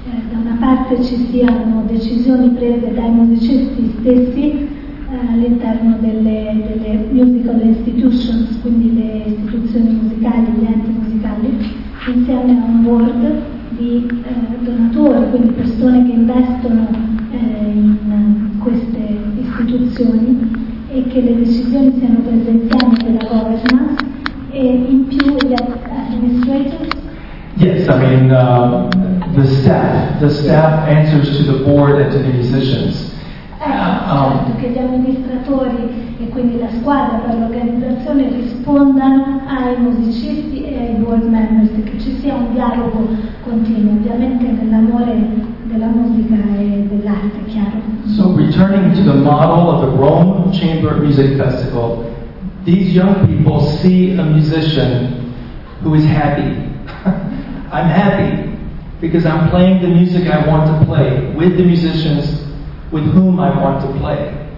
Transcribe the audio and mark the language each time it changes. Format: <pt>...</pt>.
<it>da una parte ci siano decisioni prese dai musicisti stessi all'interno delle</it> <en>musical institutions,</en> <it>quindi le istituzioni musicali, gli enti musicali, insieme a un board di donatori, quindi persone che investono in queste istituzioni, e che le decisioni siano prese insieme della governance.</it> <en>Yes, I mean the staff answers to the board and to the musicians.</en> <it>Che gli amministratori e quindi la squadra per l'organizzazione rispondano ai musicisti e ai board members, che ci sia un dialogo continuo, ovviamente nell'amore della musica e dell'arte, chiaro.</it> <en>So returning to the model of the Rome Chamber Music Festival. These young people see a musician who is happy. I'm happy because I'm playing the music I want to play with the musicians with whom I want to play.</en>